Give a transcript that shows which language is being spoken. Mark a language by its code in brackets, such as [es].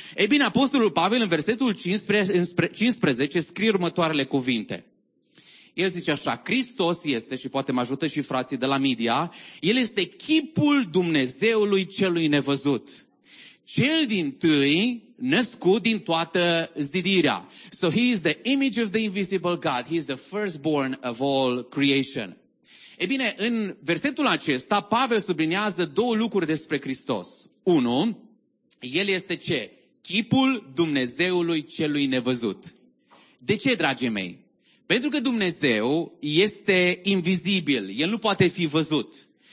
[ro] E bine, Apostolul Pavel în versetul 15 scrie următoarele cuvinte. El zice așa, Hristos este, și poate mă ajută și frații de la media, El este chipul Dumnezeului celui nevăzut. Cel dintâi născut din toată zidirea. [en] So He is the image of the invisible God. He is the firstborn of all creation. [ro] E bine, în versetul acesta, Pavel sublinează două lucruri despre Hristos. Unu, El este ce? Chipul Dumnezeului celui nevăzut. De ce, dragii mei? Pentru că Dumnezeu este invizibil, El nu poate fi văzut.